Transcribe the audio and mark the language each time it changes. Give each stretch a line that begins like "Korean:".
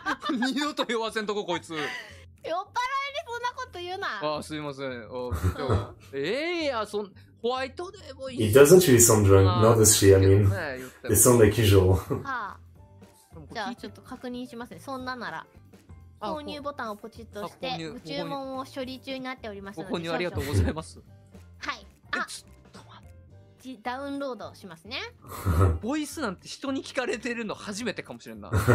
Japanese: 二度と酔わせんとこ、こいつ。酔っ払いにそんなこと言うな。あ、すいません。ええや、そん。ホワイトデーもいい
English: It doesn't really sound drunk, not as she, I mean. It sounds like usual.
Japanese: じゃあちょっと確認しますね。そんななら購入ボタンをポチッとして、ご注文を処理中になっておりますので、ご購入ありがとうございます。はい。あ、ちょっと待って。ダウンロードしますね。ボイスなんて人に聞かれてるの初めてかもしれんな。